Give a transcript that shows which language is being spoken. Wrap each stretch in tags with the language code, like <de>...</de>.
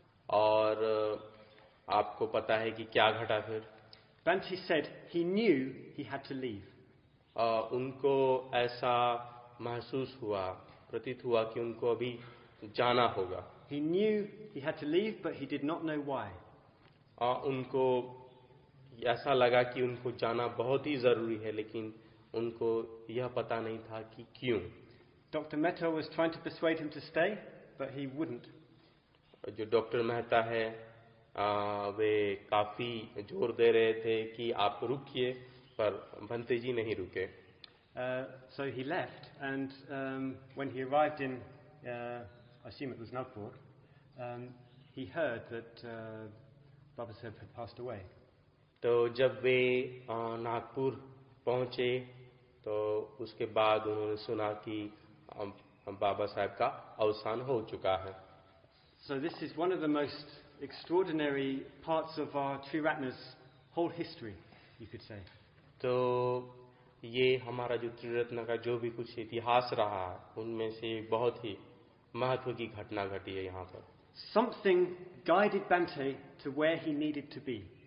<hi>और आपको पता है कि क्या घटा फिर?</hi> <en>Bhante said he knew he had to leave.</en> <hi>उनको ऐसा महसूस हुआ, प्रतीत हुआ कि उनको अभी जाना होगा.</hi> <en>He knew he had to leave, but he did not know why.</en> <hi>उनको ऐसा लगा कि उनको जाना बहुत ही जरूरी है, लेकिन उनको यह पता नहीं था कि क्यों.</hi> <en>Dr. Mehta was trying to persuade him to stay, but he wouldn't.</en> <hi>जो डॉक्टर मेहता है वे काफी जोर दे रहे थे कि आप रुकिए, पर भंते जी नहीं रुके.</hi> <en>So he left, and when he arrived in, I assume it was Nagpur, he heard that Babasaheb had passed away.</en> <hi>तो जब वे नागपुर पहुंचे तो उसके बाद उन्होंने सुना कि बाबा साहेब का अवसान हो चुका है.</hi> <en>So this is one of the most extraordinary parts of our Triratna's whole history, you could say.</en> <hi>तो ये हमारा जो त्रिरत्न का जो भी कुछ इतिहास रहा है उनमें से बहुत ही महत्व की घटना घटी है यहाँ पर.</hi> <en>Something guided Bhante to where he needed to be.</en>